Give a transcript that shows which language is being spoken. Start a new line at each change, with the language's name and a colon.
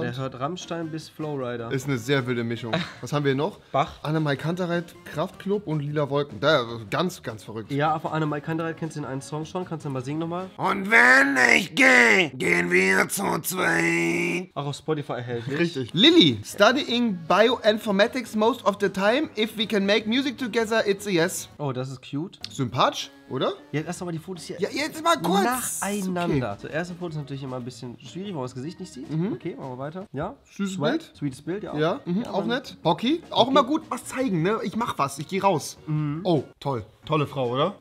German: Boah, der hört Rammstein bis Flowrider. Ist eine sehr wilde Mischung. Was haben wir noch? Bach. Annemai Kantereit, Kraftklub und Lila Wolken. Da, ganz, ganz verrückt. Ja, aber Annemai Kantereit, kennst du den einen Song schon? Kannst du den mal singen nochmal? Und wenn ich gehe, gehen wir zu zweit. Auch auf Spotify erhältlich. Richtig.
English: Lilly, studying bioinformatics most of the time. If we can make music together, it's a yes.
German: Oh, das ist cute. Sympathisch. Oder? Ja, lass doch mal die Fotos hier. Ja, jetzt mal kurz! Nacheinander. Okay. So, erste Foto ist natürlich immer ein bisschen schwierig, weil man das Gesicht nicht sieht. Okay, machen wir weiter. Ja. Süßes Bild. Sweetes Bild, ja. Ja, auch nett. Bocky. Auch immer gut was zeigen, ne? Ich mach was, ich geh raus. Oh, toll. Tolle Frau, oder?